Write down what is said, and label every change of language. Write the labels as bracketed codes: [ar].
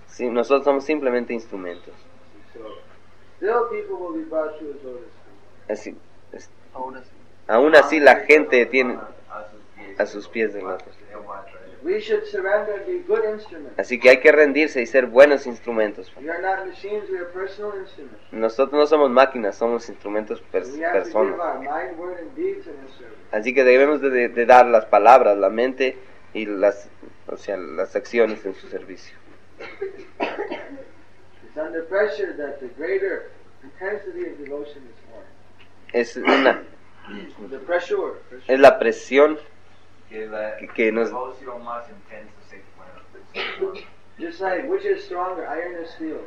[es] Sí, nosotros somos simplemente instrumentos. [en] So, still people will be brought to his lotus feet. [es] Aún así, la gente tiene a sus pies de lotus. [en] We should surrender and be good instruments. [es] Así que hay que rendirse y ser buenos instrumentos. [en] We are not machines, we are personal instruments. [es] Nosotros no somos máquinas, somos instrumentos personas. [en] We have to give our mind, word, and deeds in this service. [es] Así que debemos de dar las palabras, la mente y las acciones en su servicio. [en] It's under pressure that the greater intensity of devotion is more. [es] Es una [en] the pressure. [es] Es la presión. Que la devoción más intensa se pueda. [en] Just like, which is stronger, iron or steel?